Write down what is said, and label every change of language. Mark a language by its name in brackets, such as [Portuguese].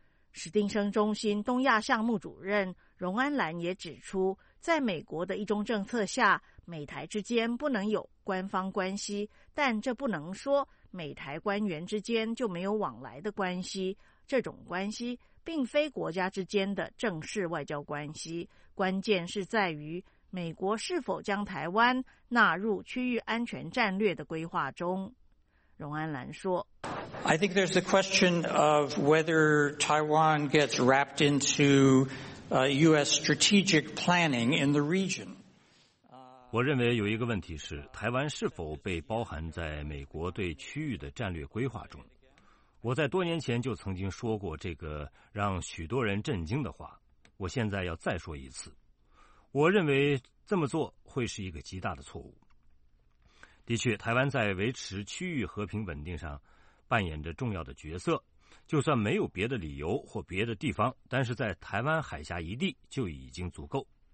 [Chinese] 史丁生中心东亚项目主任荣安兰也指出，在美国的一中政策下，美台之间不能有官方关系，但这不能说美台官员之间就没有往来的关系，这种关系并非国家之间的正式外交关系，关键是在于美国是否将台湾纳入区域安全战略的规划中。荣安兰说， [English] I think there's the question of whether Taiwan gets wrapped into US strategic planning in the region. [Chinese] 我认为有一个问题是，台湾是否被包含在美国对区域的战略规划中。我在多年前就曾经说过这个让许多人震惊的话，我现在要再说一次。我认为这么做会是一个极大的错误。的确，台湾在维持区域和平稳定上扮演着重要的角色，就算没有别的理由或别的地方，但是在台湾海峡一地就已经足够。